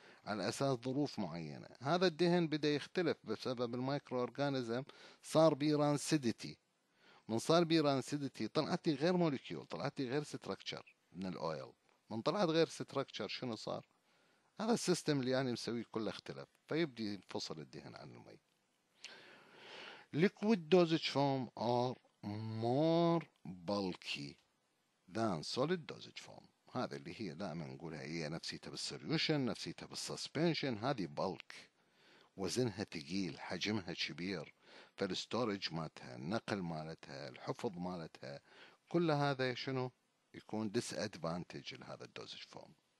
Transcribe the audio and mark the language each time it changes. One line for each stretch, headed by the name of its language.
Arabic: على أساس ظروف معينة هذا الدهن بدأ يختلف بسبب المايكرو أورغانيزم صار بيرانسيديتي. من صار بيرانسيديتي طلعتي غير موليكيول طلعتي غير ستركتشر من الأويل. من طلعت غير ستركتشر شنو صار هذا السيستم اللي يعني مسويه كله اختلف فيبدي ينفصل الدهن عن المي.
English: Liquid dosage foam are more bulky than solid dosage foam.
Arabic: هذا اللي هي دائما نقولها هي نفسيتها بالسوليوشن نفسيتها بالسسبنشن هذه بلك وزنها ثقيل حجمها كبير فالستورج مالتها النقل مالتها الحفظ مالتها كل هذا شنو يكون ديس ادفانتج لهذا الدوزج فورم.